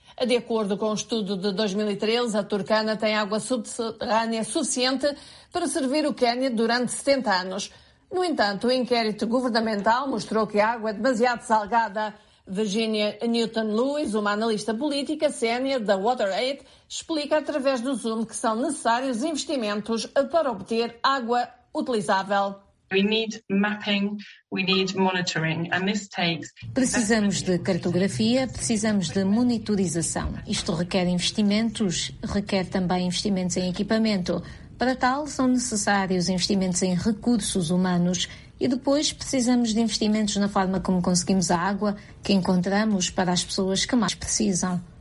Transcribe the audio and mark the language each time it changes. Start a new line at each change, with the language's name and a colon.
Portuguese: De acordo com um estudo de 2013, a Turkana tem água subterrânea suficiente para servir o Quênia durante 70 anos. No entanto, o inquérito governamental mostrou que a água é demasiado salgada. Virginia Newton-Lewis, uma analista política sénior da WaterAid, explica através do Zoom que são necessários investimentos para obter água utilizável.
English: We need mapping, we need monitoring, and this takes...
Portuguese: Precisamos de cartografia, precisamos de monitorização. Isto requer investimentos, requer também investimentos em equipamento. Para tal, são necessários investimentos em recursos humanos. E depois precisamos de investimentos na forma como conseguimos a água que encontramos para as pessoas que mais precisam.